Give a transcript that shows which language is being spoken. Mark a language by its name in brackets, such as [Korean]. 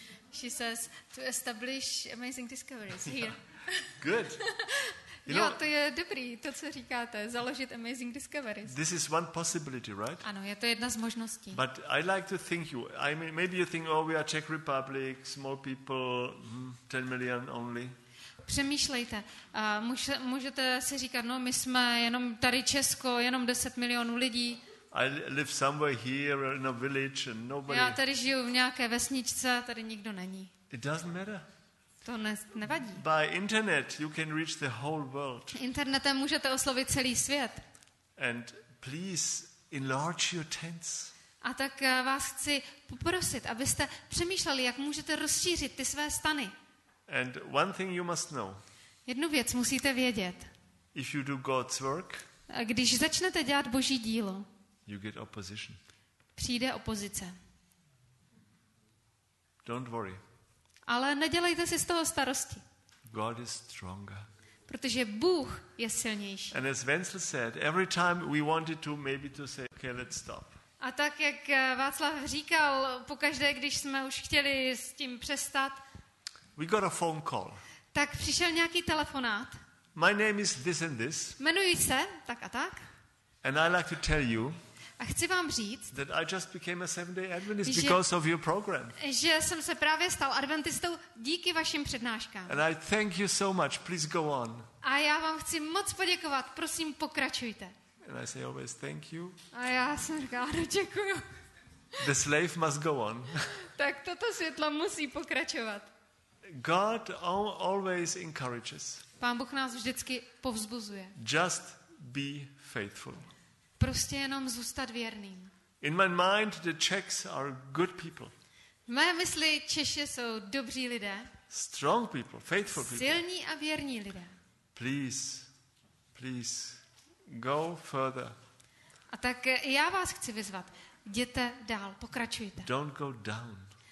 [English] She says to establish amazing discoveries here. Yeah. Good. You know, [Czech] jo, to je dobrý, to, co říkáte, založit amazing discoveries. [English] This is one possibility, right? [Czech] Ano, je to jedna z možností. [English] But I like to think you, I mean, maybe you think, oh, we are Czech Republic, small people, 10 million only. [Czech] Přemýšlejte, můžete si říkat, no, my jsme jenom tady Česko, jenom 10 milionů lidí. [English] I live somewhere here in a village and nobody... [Czech] Já tady žiju v nějaké vesničce, tady nikdo není. [English] It doesn't matter. [Czech] To nevadí. [English] By internet you can reach the whole world. [Czech] Internetem můžete oslovit celý svět. [English] And please enlarge your tents. [Czech] A tak vás chci poprosit, abyste přemýšleli, jak můžete rozšířit ty své stany. [English] And one thing you must know. [Czech] Jednu věc musíte vědět. [English] If you do God's work, [Czech] a když začnete dělat Boží dílo, [English] you get opposition. [Czech] Přijde opozice. [English] Don't worry. [Czech] Ale nedělejte si z toho starosti. [English] God is stronger. [Czech] Protože Bůh je silnější. [English] And as Wenzel said, every time we wanted to maybe to say, okay, let's stop. [Czech] A tak jak Václav říkal, pokaždé, když jsme už chtěli s tím přestat. [English] We got a phone call. [Czech] Tak přišel nějaký telefonát. [English] My name is this and this. [Czech] Jmenuji se tak a tak. [English] And I like to tell you. [Czech] A chci vám říct, [English] that I just became a seven-day Adventist because of your program. [Czech] Že jsem se právě stal adventistou díky vašim přednáškám. [English] And I thank you so much. Please go on. [Czech] A já vám chci moc poděkovat. Prosím, pokračujte. [English] And I say always thank you. [Czech] A já jsem ráda děkuju. [English] The slave must go on. [Czech] Tak toto světlo musí pokračovat. [English] God always encourages. [Czech] Pán Bůh nás vždycky povzbuzuje. [English] Just be faithful. [Czech] Prostě jenom zůstat věrným. [English] In my mind the Czechs are good people. [Czech] V mé mysli Češi jsou dobří lidé. [English] Strong people, faithful people. [Czech] Silní a věrní lidé. [English] Please. Please go further. [Czech] A tak já vás chci vyzvat. Jděte dál, pokračujte. [English] Don't go down.